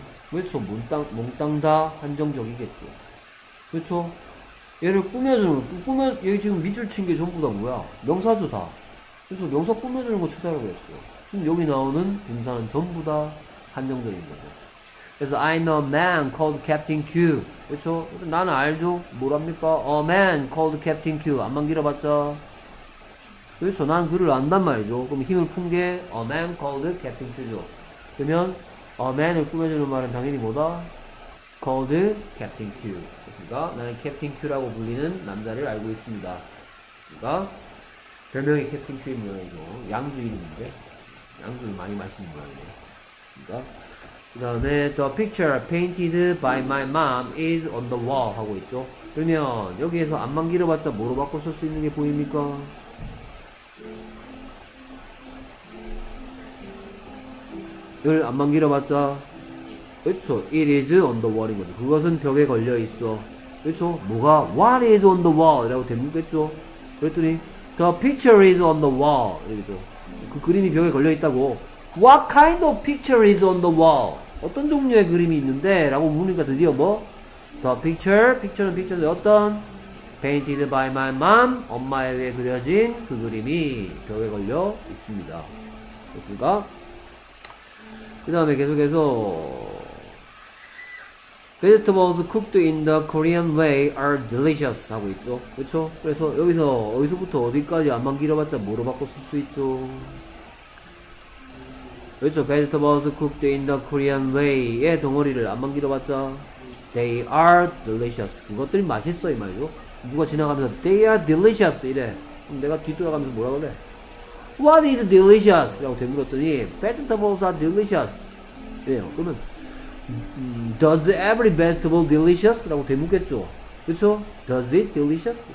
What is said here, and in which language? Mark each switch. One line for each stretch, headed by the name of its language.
Korean: 그렇죠. 몽땅 다 한정적이겠죠. 그렇죠? 얘를 꾸며주는 거, 얘 지금 밑줄 친게 전부 다 뭐야? 명사죠, 다. 그래서 명사 꾸며주는 거 찾아라고 했어. 지금 여기 나오는 분사는 전부 다 한정적인 거죠.
English: 그래서 I know a man called Captain Q.
Korean: 그렇죠? 나는 알죠. 뭐랍니까?
English: A man called Captain Q.
Korean: 암만 길어봤자. 그렇죠? 난 그를 안단 말이죠. 그럼 힘을 푼게
English: A man called Captain Q
Korean: 죠. 그러면 A man을 꾸며주는 말은 당연히 뭐다?
English: Called Captain Q.
Korean: 그렇습니까? 나는 Captain Q라고 불리는 남자를 알고 있습니다. 그렇습니까? 별명이 Captain Q인 모양이죠. 양주 이름인데. 양주를 많이 마시는 모양이네요. 그렇습니까? 그 다음에
English: The picture painted by my mom is on the wall 하고 있죠.
Korean: 그러면 여기에서 암만 길어봤자 뭐로 바꿔 쓸수 있는 게 보입니까? 을 암만 길어봤자 그렇죠.
English: It is on the wall
Korean: 인 거죠. 그것은 벽에 걸려 있어. 그렇죠.
English: 뭐가 What is on the wall?
Korean: 이라고 되묻겠죠. 그랬더니
English: The picture is on the wall. 이렇게죠.
Korean: 그 그림이 벽에 걸려 있다고.
English: What kind of picture is on the wall?
Korean: 어떤 종류의 그림이 있는데? 라고 물으니까 드디어 뭐?
English: The picture. Picture는 picture인데
Korean: 어떤?
English: Painted by my mom.
Korean: 엄마에게 그려진 그 그림이 벽에 걸려 있습니다. 그렇습니까? 그 다음에 계속해서
English: Vegetables cooked in the Korean way are delicious 하고 있죠. 그렇죠?
Korean: 그래서 여기서 어디서부터 어디까지 암만 길어봤자 뭐로 바꿔 쓸수 있죠. 그렇죠?
English: Vegetables cooked in the Korean way의
Korean: 덩어리를 암만 길어봤자
English: they are delicious.
Korean: 그것들이 맛있어 이 말이죠. 누가 지나가면서
English: they are delicious
Korean: 이래. 그럼 내가 뒤돌아가면서 뭐라 그래?
English: What is delicious?
Korean: 라고 되물었더니
English: Vegetables are delicious 이래요. 그러면 Does every vegetable delicious?
Korean: 라고 되묻겠죠. 그쵸?
English: Does it delicious?